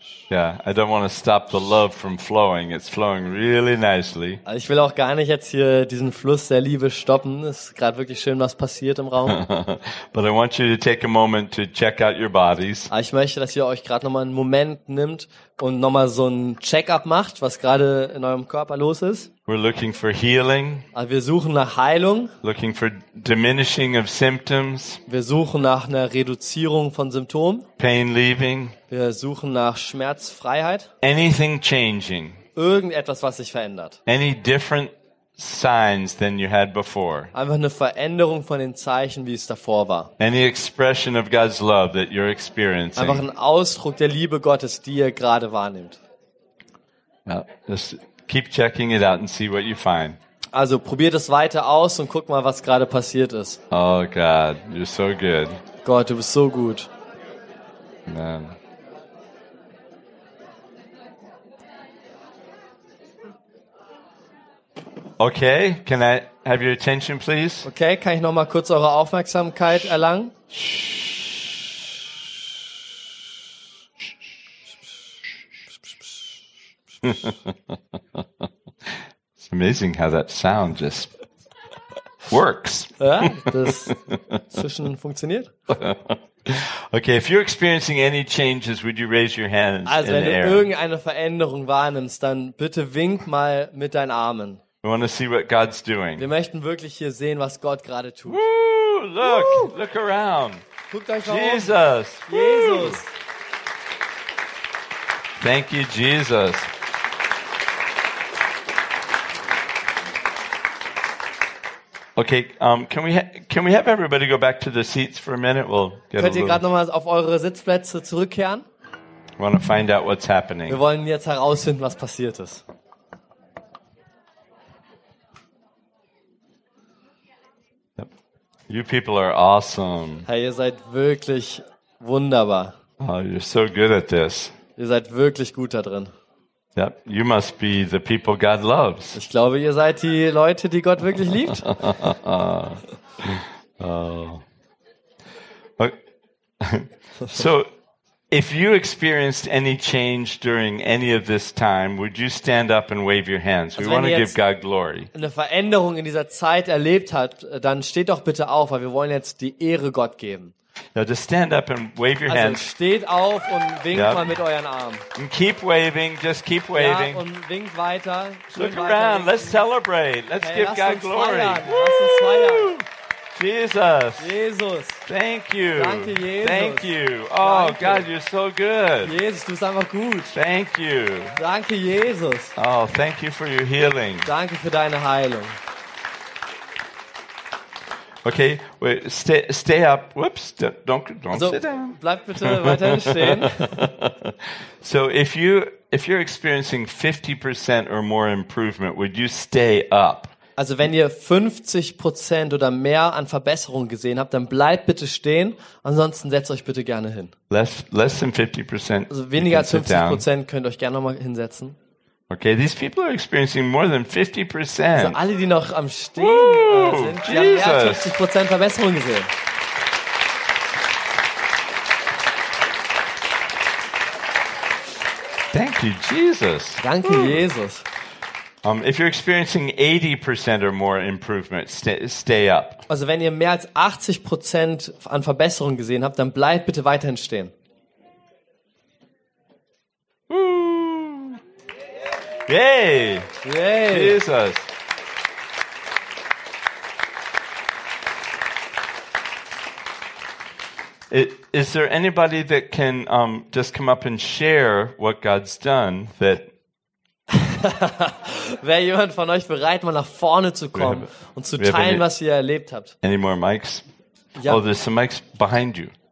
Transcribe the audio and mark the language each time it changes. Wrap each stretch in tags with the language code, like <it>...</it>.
<en>I don't want to stop the love from flowing. It's flowing really nicely.</en> <de>Also ich will auch gar nicht jetzt hier diesen Fluss der Liebe stoppen. Es ist gerade wirklich schön, was passiert im Raum.</de> <en>But I want you to take a moment to check out your bodies.</en> <de>Also ich möchte, dass ihr euch gerade nochmal einen Moment nimmt und nochmal so ein Check-up macht, was gerade in eurem Körper los ist.</de> <en>We're looking for healing.</en> <de>Also wir suchen nach Heilung.</de> <en>Looking for diminishing of symptoms.</en> <de>Wir suchen nach einer Reduzierung von Symptomen.</de> <en>Pain leaving.</en> <de>Wir suchen nach Schmerzfreiheit.</de> <en>Anything changing.</en> <de>Irgendetwas, was sich verändert.</de> <en>Any different signs than you had before.</en> <de>Einfach eine Veränderung von den Zeichen, wie es davor war.</de> <en>Any expression of God's love that you're experiencing.</en> <de>Einfach ein Ausdruck der Liebe Gottes, die ihr gerade wahrnimmt. Ja, das</de> <en>keep checking it out and see what you find.</en> <de>Also probiert es weiter aus und guck mal, was gerade passiert ist.</de> <en>Oh God, you're so good.</en> <de>Gott, du bist so gut.</de> <en>Man. Okay, can I have your attention, please?</en> <de>Okay, kann ich noch mal kurz eure Aufmerksamkeit erlangen?</de> <en>It's amazing how that sound just works.</en> <de>Ja, das zwischen funktioniert.</de> <en>Okay, if you're experiencing any changes, would you raise your hands in the air?</en> <de>Also, wenn du irgendeine Veränderung wahrnimmst, dann bitte wink mal mit deinen Armen.</de> <en>We want to see what God's doing.</en> <de>Wir möchten wirklich hier sehen, was Gott gerade tut.</de> <en>Woo, look, woo. Look around.</en> <de>Guckt euch</de> <en>Jesus. Um. Jesus. Thank you, Jesus. Okay, can we have everybody go back to the seats for a minute? We'll get</en> <de>könnt ihr gerade nochmal auf eure Sitzplätze zurückkehren?</de> <en>We want to find out what's happening.</en> <de>Wir wollen jetzt herausfinden, was passiert ist.</de> <en>Yep. You people are awesome.</en> <de>Hey, ihr seid wirklich wunderbar.</de> <en>Oh, you're so good at this.</en> <de>Ihr seid wirklich gut da drin.</de> <en>Yep, you must be the people God loves.</en> <de>Ich glaube, ihr seid die Leute, die Gott wirklich liebt.</de> <en>So, if you experienced any change during any of this time, would you stand up and wave your hands? We want to give God glory.</en> <de>Wenn ihr eine Veränderung in dieser Zeit erlebt habt, dann steht doch bitte auf, weil wir wollen jetzt die Ehre Gott geben.</de> <en>Now just stand up and wave your hands.</en> <de>Also steht auf und winkt mal mit euren Armen.</de> <en>And keep waving, just keep waving.</en> <de>Ja, und winkt weiter.</de> <en>Look around, Let's celebrate. Let's give God glory.</en> <de>Feiern. Woo! Lass uns feiern.</de> <en>Jesus. Jesus. Thank you.</en> <de>Danke, Jesus.</de> <en>Thank you. Oh,</en> <de>danke.</de> <en>God, you're so good.</en> <de>Jesus, du bist einfach gut.</de> <en>Thank you.</en> <de>Danke, Jesus.</de> <en>Oh, thank you for your healing.</en> <de>Danke für deine Heilung.</de> <en>Okay, wait, stay up. Whoops, don't sit down.</en> <de>Bleib bitte weiterhin stehen.</de> <en>So if you're experiencing 50% or more improvement, would you stay up?</en> <de>Also wenn ihr 50% oder mehr an Verbesserung gesehen habt, dann bleibt bitte stehen, ansonsten setzt euch bitte gerne hin.</de> <en>Less than 50%.</en> <de>Also weniger als 50% könnt ihr euch gerne nochmal hinsetzen.</de> <en>Okay, these people are experiencing more than 50%.</en> <de>Also alle, die noch am Stehen sind, die haben mehr als 50% Verbesserung gesehen.</de> <en>Thank you, Jesus.</en> <de>Danke, Woo. Jesus.</de> <en>If you're experiencing 80% or more improvement, stay up.</en> <de>Also wenn ihr mehr als 80% an Verbesserung gesehen habt, dann bleibt bitte weiterhin stehen.</de> <en>Yay! Yay! Jesus! Is there anybody that can just come up and share what God's done that?</en> <de>Wäre jemand von euch bereit, mal nach vorne zu kommen und zu teilen, was ihr erlebt habt?</de> <en>Any more mics? Yep. Oh, there's some mics behind you.</en>